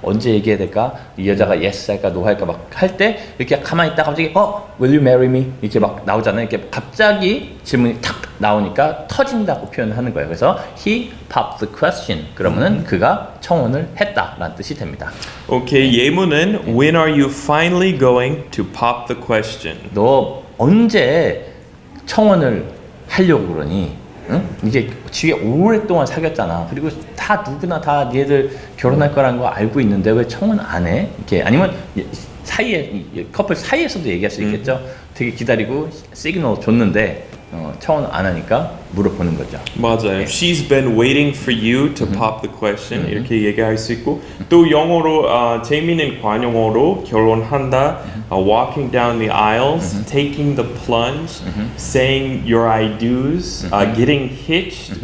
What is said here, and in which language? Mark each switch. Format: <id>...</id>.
<ko>언제 얘기해야 될까? 이 여자가 yes 할까? no 할까? 막 할 때 이렇게 가만히 있다가 갑자기 어?</ko> <en>will you marry me?</en> <ko>이렇게 막 나오잖아요. 이렇게 갑자기 질문이 탁 나오니까 터진다고 표현을 하는 거예요.</ko> <en>그래서 he popped the question.</en> <ko>그러면은 그가 청혼을 했다 라는 뜻이 됩니다.</ko> <en>오케이 okay, 예문은 when are you finally going to pop the question?</en> <ko>너 언제 청혼을 하려고 그러니? 응? 이제 지에 오랫동안 사귀었잖아. 그리고 다 누구나 다 얘들 결혼할 거라는 거 알고 있는데 왜 청혼 안 해? 이렇게 아니면 사이에 커플 사이에서도 얘기할 수 있겠죠. 되게 기다리고 시그널 줬는데 청혼 안 하니까 물어보는 거죠. 맞아요. 네.</ko> <en>She's been waiting for you to pop the question.</en> <ko>이렇게 얘기할 수 있고 또 영어로 재미있는 관용어로 결혼한다.</ko> <en>Walking down the aisles, taking the plunge, saying your I do's, getting hitched.</en>